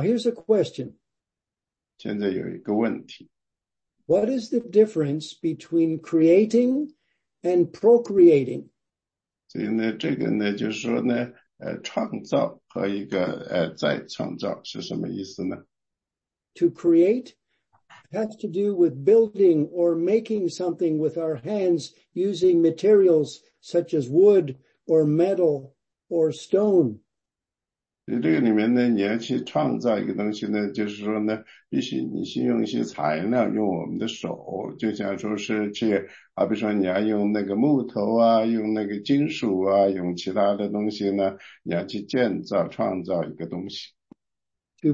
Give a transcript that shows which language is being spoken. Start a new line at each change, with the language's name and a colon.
English: here's a question.
Chinese: 现在有一个问题。
English: What is the difference between creating and procreating?
Chinese: 所以呢，这个呢，就是说呢，创造和一个再创造是什么意思呢？
English: To create has to do with building or making something with our hands using materials such as wood or metal or stone.
Chinese: 所以这个里面呢，你要去创造一个东西呢，就是说呢，必须你先用一些材料，用我们的手，就像说是去，好比说你要用那个木头啊，用那个金属啊，用其他的东西呢，你要去建造创造一个东西。
English: To